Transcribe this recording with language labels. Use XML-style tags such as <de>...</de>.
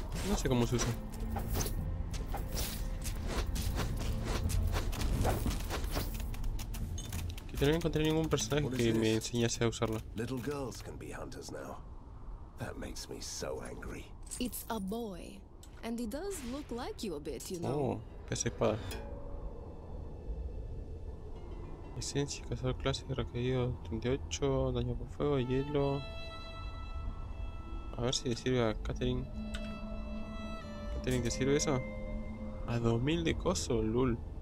<es>No sé cómo se usa. Que no encontré ningún personaje que me enseñase a usarla.</es> <en>Little girls can be hunters now. That makes me so angry. It's a boy, and he does look like you a bit, you know.</en> <es>Oh, esa espada. Esencia, cazador clase, requerido 38, daño por fuego, hielo. A ver si le sirve a Katherine. ¿Katherine te sirve eso? A 2000 de coso, lul.</es>